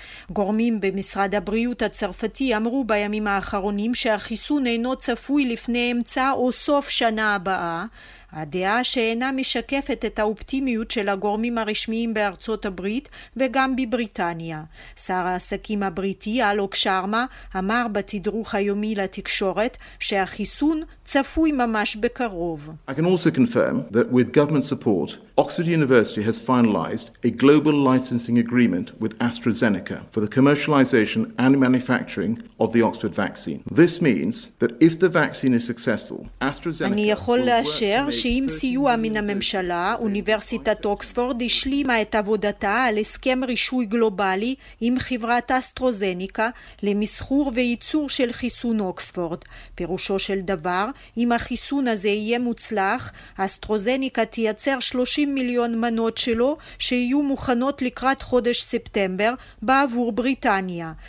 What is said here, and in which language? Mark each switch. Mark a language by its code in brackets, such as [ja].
[he] גורמים במשרד הבריאות הצרפתי אמרו בימים האחרונים שהחיסון אינו צפוי לפני אמצע או סוף שנה הבאה. הדעה שאינה משקפת את האופטימיות של הגורמים הרשמיים בארצות הברית וגם בבריטניה. שר העסקים הבריטי אלוק שרמה אמר בתדרוך היומי לתקשורת שהחיסון צפוי ממש בקרוב. [en] I can also confirm that with government support, Oxford University has finalized a global licensing agreement with AstraZeneca for the commercialization and manufacturing of the Oxford vaccine. This means that if the vaccine is successful, AstraZeneca [he] אני יכול לאשר שעם סיוע מן הממשלה, אוניברסיטת אוקספורד השלימה את עבודתה על הסכם רישוי גלובלי עם חברת אסטרוזניקה למסחור וייצור של חיסון אוקספורד. פירושו של דבר, אם החיסון הזה יהיה מוצלח, אסטרוזניקה תייצר 30 מיליון מנות שלו שיהיו מוכנות לקראת חודש ספטמבר בעבור בריטניה.